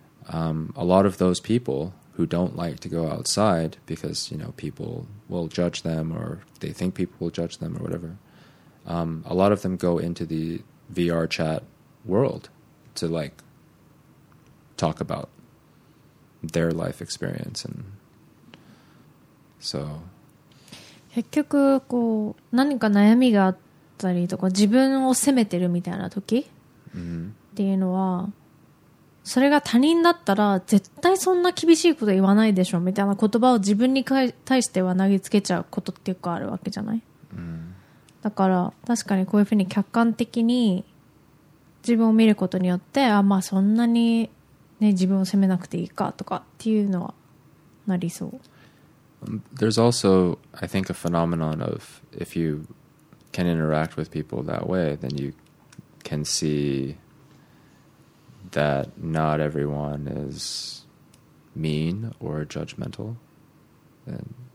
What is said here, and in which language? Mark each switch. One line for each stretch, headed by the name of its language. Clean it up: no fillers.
English: A lot of those people who don't like to go outside because, you know, people will judge them or they think people will judge them or whatever, a lot of them go into the VR chat world to, like, talk about their life experience. And so...
Japanese: 結局こう何か悩みがあったりとか自分を責めてるみたいな時っていうのはそれが他人だったら絶対そんな厳しいこと言わないでしょみたいな言葉を自分に対しては投げつけちゃうことっていうかあるわけじゃない。だから確かにこういうふうに客観的に自分を見ることによってあまあそんなにね自分を責めなくていいかとかっていうのはなりそう。
English: There's also, I think, a phenomenon of if you can interact with people that way, then you can see that not everyone is mean or judgmental. And